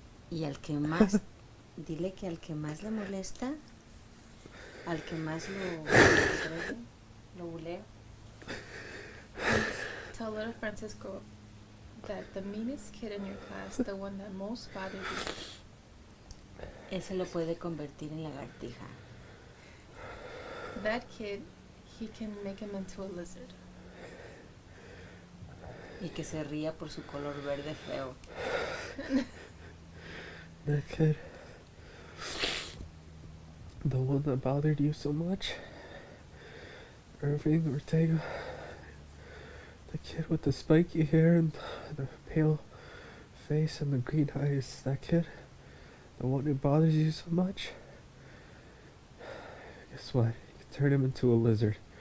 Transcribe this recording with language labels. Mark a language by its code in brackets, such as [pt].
[es] Y al que más, dile que al que más le molesta, al que más lo [en] tell little Francisco that the meanest kid in your class, the one that most bothered you, [es] ese lo puede convertir en lagartija. [en] That kid, he can make him into a lizard. [es] Y que se ría por su color verde feo. [en] That kid, the one that bothered you so much, Irving Ortega, the kid with the spiky hair and the pale face and the green eyes, that kid, the one who bothers you so much, guess what, you turn him into a lizard.